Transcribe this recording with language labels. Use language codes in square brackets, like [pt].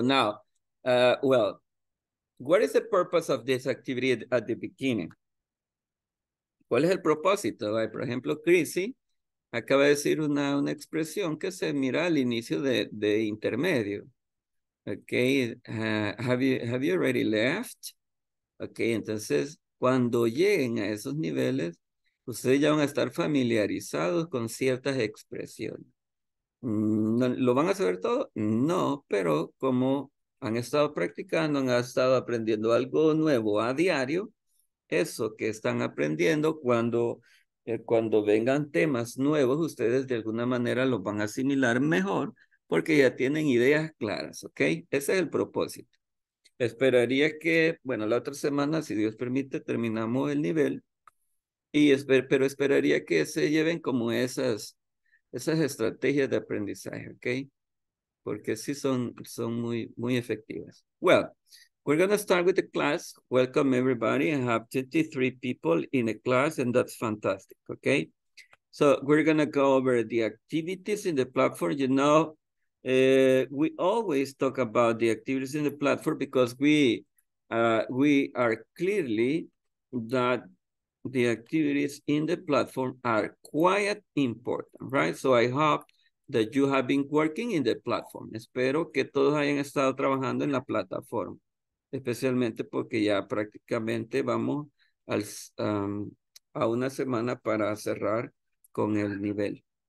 [en] Now, well, what is the purpose of this activity at the beginning? [es] ¿Cuál es el propósito? Por ejemplo, Chrissy acaba de decir una expresión que se mira al inicio de intermedio. [en] Okay, have you already left? [es] Okay, entonces, cuando lleguen a esos niveles, ustedes ya van a estar familiarizados con ciertas expresiones. ¿Lo van a saber todo? No, pero como han estado practicando, han estado aprendiendo algo nuevo a diario, eso que están aprendiendo, cuando vengan temas nuevos, ustedes de alguna manera los van a asimilar mejor porque ya tienen ideas claras, ¿ok? Ese es el propósito. Esperaría que, bueno, la otra semana, si Dios permite, terminamos el nivel. Pero esperaría que se lleven como esas estrategias de aprendizaje, ¿ok? Porque sí son muy, muy efectivas. [en] Well, we're going to start with the class. Welcome, everybody. I have 23 people in the class, and that's fantastic, ¿ok? So we're going to go over the activities in the platform. You know, we always talk about the activities in the platform because we are clearly that the activities in the platform are quite important, right? So I hope that you have been working in the platform. [es] Espero que todos hayan estado trabajando en la plataforma, especialmente porque ya prácticamente vamos a una semana para cerrar con el nivel.